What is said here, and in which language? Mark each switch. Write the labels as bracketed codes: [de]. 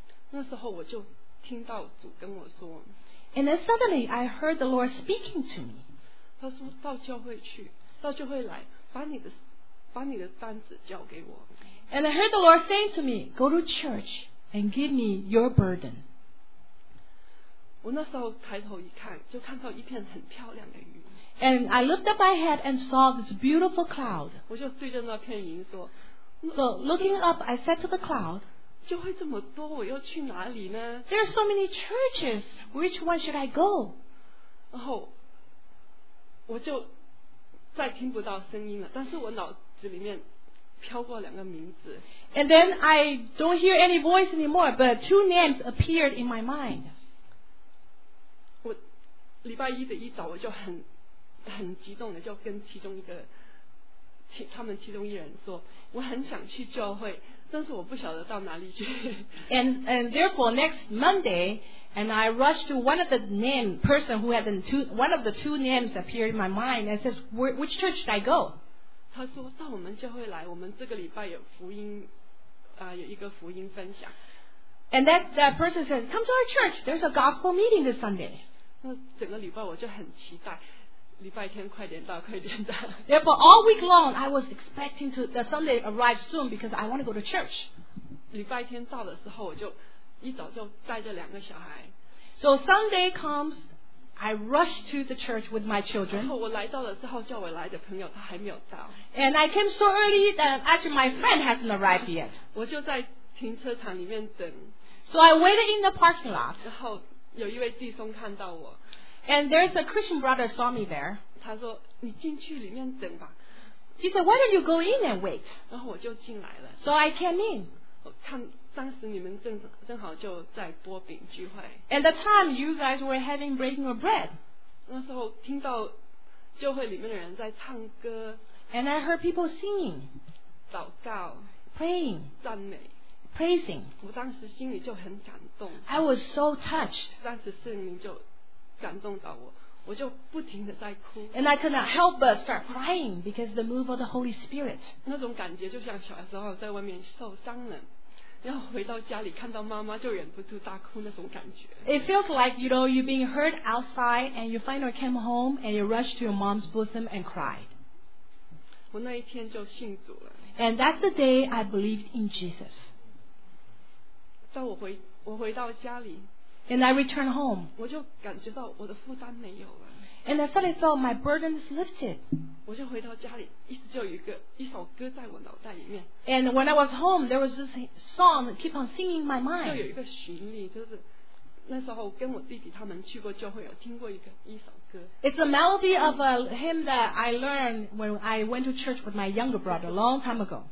[zh] 那时候我就听到主跟我说 [en] And then suddenly I heard the Lord speaking to me [zh] 他说到教会去到教会来把你的担子交给我 [en] And I heard the Lord saying to me Go to church and give me your burden [zh] 我那时候抬头一看就看到一片很漂亮的云 [en] And I looked up my head and saw this beautiful cloud [zh] 我就对着那片云说 [en] So looking up I said to the cloud [zh] 教会这么多我要去哪里呢 [en] There are so many churches Which one should I go [zh] 然后我就再听不到声音了但是我脑子里面飘过两个名字 [en] And then I don't hear any voice anymore But two names appeared in my mind [zh] 我礼拜一的一早我就很激动的就跟其中一个他们其中一人说我很想去教会但是我不晓得到哪里去 [en] and therefore next Monday and I rushed to one of the name person who had one of the two names appeared in my mind and says which church should I go [zh] 他说到我们教会来我们这个礼拜有福音有一个福音分享 [en] and that person said come to our church there's a gospel meeting this Sunday [zh] 那整个礼拜我就很期待礼拜天快点到快点到 [en] Therefore all week long I was expecting to the Sunday arrive soon because I want to go to church [zh] 礼拜天到的时候我就一早就带着两个小孩 [en] So Sunday comes I rush to the church with my children [zh] 然后我来到了之后叫我来的朋友他还没有到 [en] And I came so early that actually my friend hasn't arrived yet [zh] 我就在停车场里面等 [en] So I waited in the parking lot [zh] 然后有一位弟兄看到我 [en] And there's a Christian brother saw me there. [zh] 他说你进去里面等吧。 [en] He said, why don't you go in and wait? [zh] 然后我就进来了。 [en] So I came in. [zh] 我看当时你们正好就在擘饼聚会。 [en] And the time you guys were having breaking of bread. [zh] 那时候听到教会里面的人在唱歌。 [en] And I heard people singing. [zh] 祷告。 [en] Praying. [zh] 赞美。 [en] praising. [zh] 我当时心里就很感动。 [en] I was so touched. [zh] 当时圣灵就感动到我，我就不停的在哭。 [en] And I could not help but start crying because of the move of the Holy Spirit. [zh] 那种感觉就像小时候在外面受伤了，要回到家里看到妈妈就忍不住大哭那种感觉。 [en] It feels like, you know, you're being hurt outside and you finally came home and you rush to your mom's bosom and cry. [zh] 我那一天就信主了。 [en] And that's the day I believed in Jesus. [zh] 当我回到家里。 [en] And I returned home. [zh] 我就感觉到我的负担没有了。 [en] And I suddenly felt my burden is lifted. [zh] 我就回到家里，一直就有一首歌在我脑袋里面。 [en] And when I was home, there was this song that keep on singing in my mind. [zh] 就有一个旋律，就是那时候跟我弟弟他们去过教会，有听过一首歌。 [en] It's a melody of a hymn that I learned when I went to church with my younger brother a long time ago.